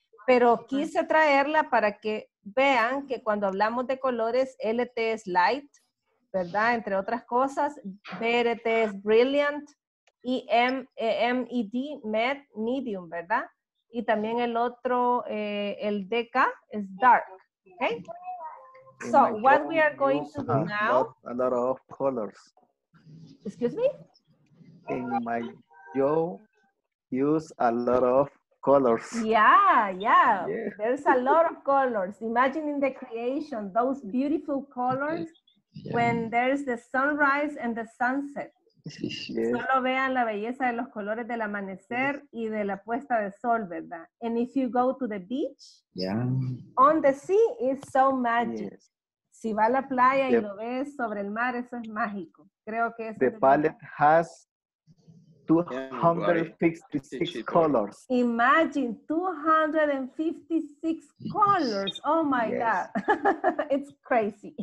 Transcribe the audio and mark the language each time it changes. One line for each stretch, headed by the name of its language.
Spanish: Pero quise traerla para que vean que cuando hablamos de colores, LT es light, ¿verdad? Entre otras cosas, BRT es brilliant, y MED, MED, medium, ¿verdad? Y también el otro, el DK es dark, ¿ok?
English: So, what we are going to do now... A lot of colors. Excuse me? In my job, use a lot of colors. Yeah, yeah. There's a lot of colors. Imagining the creation, those beautiful colors when there's the sunrise and the sunset. Yes.
Spanish: Solo vean la belleza de los colores del amanecer y de la puesta de sol, ¿verdad?
English: And if you go to the beach, on the sea, it's so magic. Yes.
Spanish: Si va a la playa y lo ves sobre el mar, eso es mágico. Creo que eso
English: the palette has 256 colors. Imagine 256 colors. Oh my God. It's crazy.